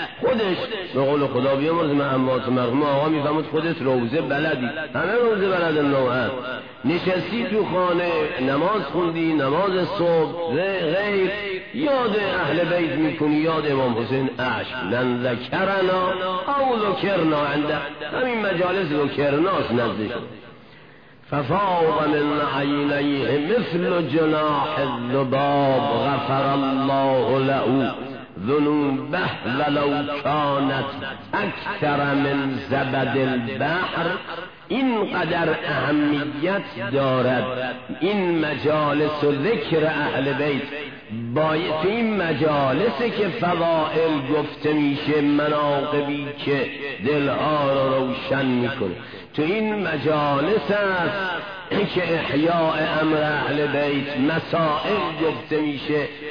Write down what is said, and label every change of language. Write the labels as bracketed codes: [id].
[fa] خودش به قول خدا بیامرز مهمات مرحوم آقا می فهمد خودت روزه بلدی، همه روزه بلد نوعه، نشستی تو خانه نماز خوندی، نماز صبح غیر، یاد اهل بیت می کنی، یاد امام حسین عشق. [ar] من ذکرنا او ذکرنا عنده، [fa] همین مجالس ذکرناش نزدش. [ar] ففاض من عينيه مثل جناح الذباب غفر الله له ذنوبه ولو كانت اكثر من زبد البحر. [fa] این قدر اهمیت دارد این مجالس و ذکر اهل بیت. باید این مجالسی که فضائل گفته میشه، مناقبی که دلها رو روشن میکنه، تو این مجالس است که احیاء امر اهل بیت، مسائل گفته میشه،